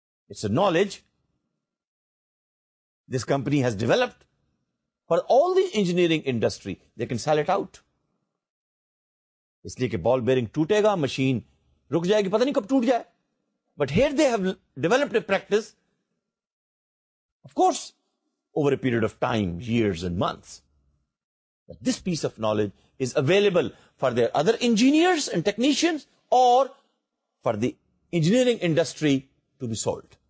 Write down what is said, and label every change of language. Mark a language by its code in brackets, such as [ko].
[en] It's a knowledge this company has developed for all the engineering industry. They can sell it out. [ur] اس لیے کہ ball bearing ٹوٹے گا، machine رک جائے گی، پتہ نہیں کب ٹوٹ جائے. [en] But here they have developed a practice, of course, over a period of time, years and months. But this piece of knowledge is available for their other engineers and technicians or for the engineering industry to be sold.